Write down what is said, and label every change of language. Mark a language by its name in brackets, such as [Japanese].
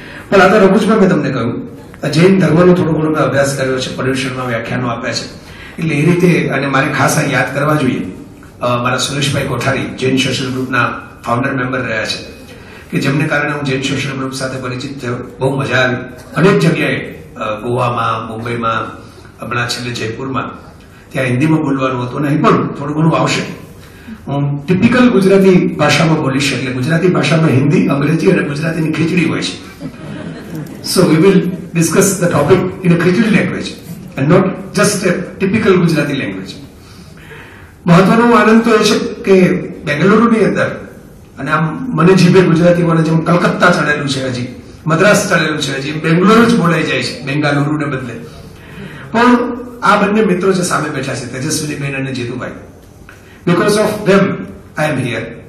[Gujarati] પણ આ તો રઘુજમાં મેં તમને કહ્યું, જૈન ધર્મનો થોડો ઘણો મેં અભ્યાસ કર્યો છે, પર્યુષણમાં વ્યાખ્યાનો આપ્યા છે, એટલે એ રીતે અને મારે ખાસ આ યાદ કરવા જોઈએ મારા સુરેશભાઈ કોઠારી જૈન સોશિયલ ગ્રુપના ફાઉન્ડર મેમ્બર રહ્યા છે, કે જેમને કારણે હું જૈન સોશિયલ ગ્રુપ સાથે પરિચિત થયો. બહુ મજા આવી અનેક જગ્યાએ, ગોવામાં, મુંબઈમાં, હમણાં છેલ્લે જયપુરમાં, ત્યાં હિન્દીમાં બોલવાનું હતું, નહીં પણ થોડું ઘણું આવશે. હું ટિપિકલ ગુજરાતી ભાષામાં બોલીશ, એટલે ગુજરાતી ભાષામાં હિન્દી, અંગ્રેજી અને ગુજરાતીની ખીચડી હોય છે. [English] So we will discuss the topic in a Khichdi language and not just a typical Gujarati language. [Gujarati] મહત્વનો આનંદ તો એ છે કે બેંગલુરુની અંદર અને આમ મને જીભે ગુજરાતી બોલે, જેમ કલકત્તા ચડેલું છે, હજી મદ્રાસ ચડેલું છે, હજી બેંગલુરુ જ બોલાઈ જાય છે બેંગાલુરુને બદલે. પણ આ બંને મિત્રો જે સામે બેઠા છે, તેજસ્વીબેન અને Jitubhai, [English] Because of them I am here.